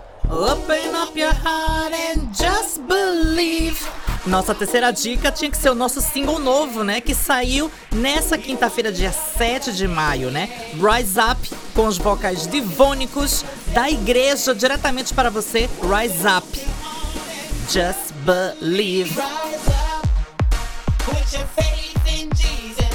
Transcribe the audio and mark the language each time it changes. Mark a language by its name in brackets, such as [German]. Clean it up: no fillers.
[English] Open up your heart and just believe. [Portuguese] Nossa terceira dica tinha que ser o nosso single novo, né? Que saiu nessa quinta-feira, dia 7 de maio, né? Rise Up, com os vocais divônicos da igreja diretamente para você. [English] Rise Up, just believe. Rise up, put your faith in Jesus.